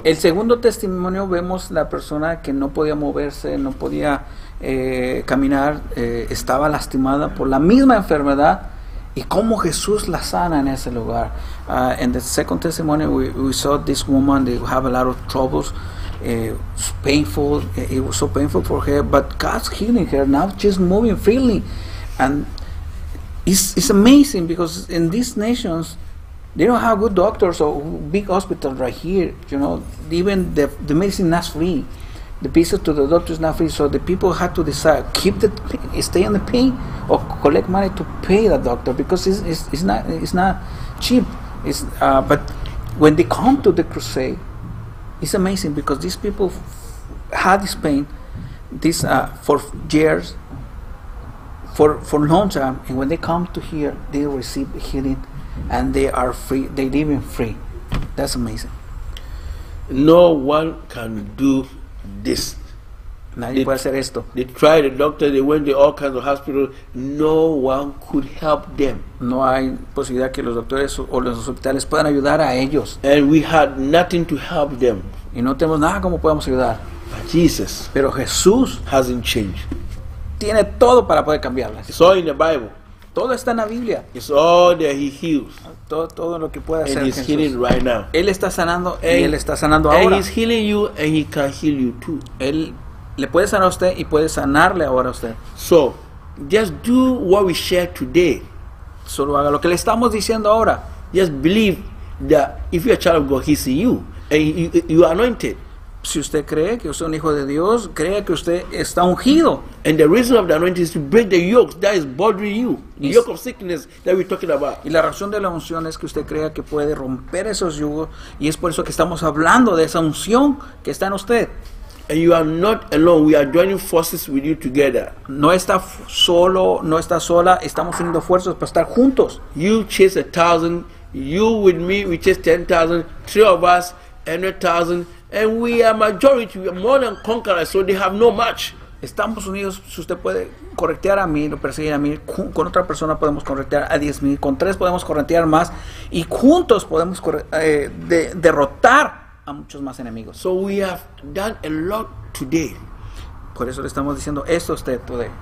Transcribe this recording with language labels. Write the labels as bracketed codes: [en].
[es] El segundo testimonio, vemos la persona que no podía moverse, no podía caminar, estaba lastimada por la misma enfermedad, y cómo Jesús la sana en ese lugar. [en] In the second testimony, we saw this woman, they have a lot of troubles, painful, it was so painful for her, but God's healing her, now she's moving freely. And it's amazing, because in these nations, they don't have good doctors or big hospitals right here, you know, even the medicine is not free. The visit to the doctor is not free, so the people had to decide, keep the pain, stay in the pain, or collect money to pay the doctor, because it's not cheap. But when they come to the crusade, it's amazing, because these people had this pain for years, for long time, and when they come to here, they receive healing, and they are free, they live in free. That's amazing. No one can do this. [es] Nadie puede hacer esto. [en] They tried the doctor, they went to all kinds of hospitals, no one could help them. [es] No hay posibilidad que los doctores o los hospitales puedan ayudar a ellos. [en] And we had nothing to help them. [es] Y no tenemos nada como podamos ayudar. [en] But Jesus. [es] Pero Jesús [en] hasn't changed. [es] Tiene todo para poder cambiarlas. [en] It's all in the Bible. [es] Todo está en la Biblia. [en] It's all that he heals. [es] Todo lo que puede hacer [en] and [es] Jesús. [en] And he's healing right now. [es] Él está sanando y él está sanando ahora. [en] And he's healing you and he can heal you too. [es] Él le puede sanar a usted y puede sanarle ahora a usted. [en] So, just do what we share today. [es] Solo haga lo que le estamos diciendo ahora. [en] Just believe that if you're a child of God, he's in you and you are anointed. [es] Si usted cree que usted es un hijo de Dios, crea que usted está ungido. [en] And the reason of the anointing is to break the yoke that is bothering you. The yoke of sickness that we're talking about. [es] Y la razón de la unción es que usted crea que puede romper esos yugos, y es por eso que estamos hablando de esa unción que está en usted. [en] And you are not alone. We are joining forces with you together. [es] No está solo, no está sola. Estamos uniendo fuerzas para estar juntos. [en] You chase 1,000. You with me, we chase 10,000. Three of us, 100,000. And we are majority, we are more than conquerors, so they have no match. [es] Estamos unidos, si usted puede corretear a mí, lo perseguir a mí, con otra persona podemos corretear a 10,000, con tres podemos corretear más, y juntos podemos derrotar a muchos más enemigos. [en] So we have done a lot today. [es] Por eso le estamos diciendo esto a usted [en] today.